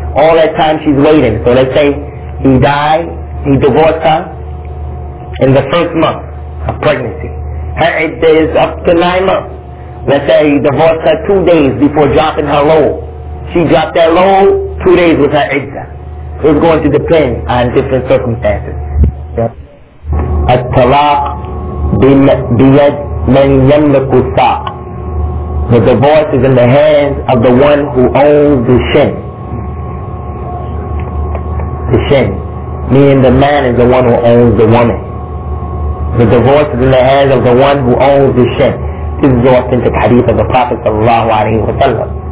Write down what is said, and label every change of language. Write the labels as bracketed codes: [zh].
[en] All that time she's waiting. So let's say he died, he divorced her in the first month of pregnancy. Her iddah is up to 9 months. Let's say he divorced her 2 days before dropping her load. She dropped that load 2 days with her iddah. It's going to depend on different circumstances. [ar] At-talaq biyad من يملك الساق. [en] The divorce is in the hands of the one who owns the shin. The shin, meaning the man is the one who owns the woman. The divorce is in the hands of the one who owns the shin. This is the authentic hadith of the Prophet sallallahu alaihi wasallam.